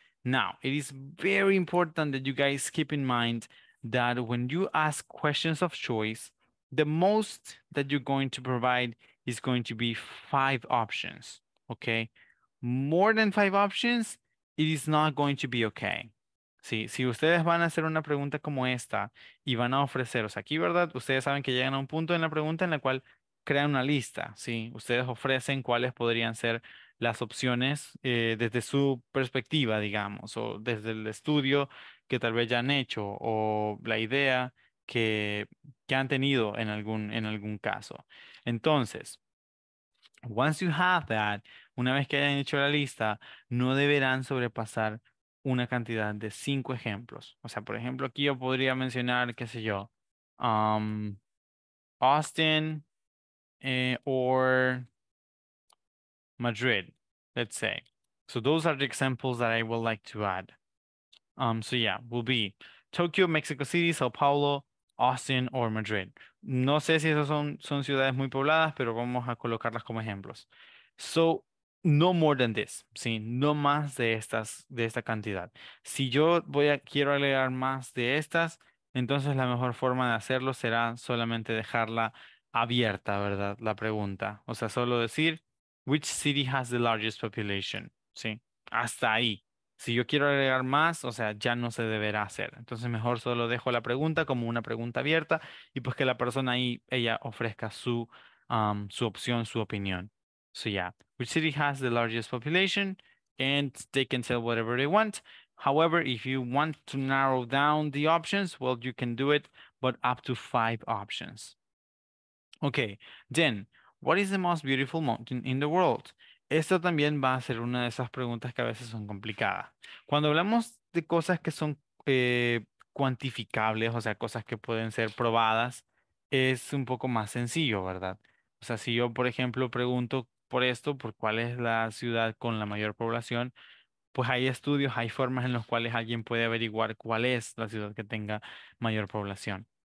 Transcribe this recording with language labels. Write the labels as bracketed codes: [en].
[en] Now, it is very important that you guys keep in mind that when you ask questions of choice, the most that you're going to provide is going to be 5 options, okay? More than 5 options, it is not going to be okay. [es] Sí, si ustedes van a hacer una pregunta como esta y van a ofreceros aquí, ¿verdad? Ustedes saben que llegan a un punto en la pregunta en la cual crean una lista, ¿sí? Ustedes ofrecen cuáles podrían ser las opciones desde su perspectiva, digamos, o desde el estudio que tal vez ya han hecho o la idea que han tenido en algún caso. Entonces, [en] once you have that, [es] una vez que hayan hecho la lista, no deberán sobrepasar una cantidad de 5 ejemplos. O sea, por ejemplo, aquí yo podría mencionar, qué sé yo, [en] Austin or Madrid, let's say. So those are the examples that I would like to add. So yeah, will be Tokyo, Mexico City, Sao Paulo, Austin or Madrid. [es] No sé si esas son ciudades muy pobladas, pero vamos a colocarlas como ejemplos. [en] So no more than this, [es] ¿sí? No más de esta cantidad. Si yo quiero agregar más de estas, entonces la mejor forma de hacerlo será solamente dejarla abierta, ¿verdad? La pregunta. O sea, solo decir, [en] which city has the largest population, [es] ¿sí? Hasta ahí. Si yo quiero agregar más, o sea, ya no se deberá hacer. Entonces mejor solo dejo la pregunta como una pregunta abierta y pues que la persona ahí, ella ofrezca su opción, su opinión. [en] So yeah, which city has the largest population and they can tell whatever they want. However, if you want to narrow down the options, well, you can do it, but up to 5 options. Okay, then, what is the most beautiful mountain in the world? [es] Esto también va a ser una de esas preguntas que a veces son complicadas. Cuando hablamos de cosas que son cuantificables, o sea, cosas que pueden ser probadas, es un poco más sencillo, ¿verdad? O sea, si yo, por ejemplo, pregunto por esto, por cuál es la ciudad con la mayor población, pues hay estudios, hay formas en las cuales alguien puede averiguar cuál es la ciudad que tenga mayor población.